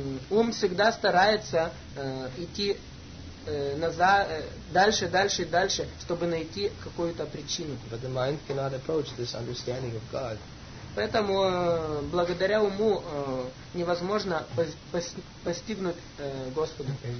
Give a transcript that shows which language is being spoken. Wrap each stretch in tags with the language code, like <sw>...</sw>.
<ru>Ум всегда старается идти назад, дальше, дальше и дальше, чтобы найти какую-то причину.</ru> <en>But the mind cannot approach this understanding of God.</en> <ru>Поэтому благодаря уму невозможно постигнуть Господа.</ru>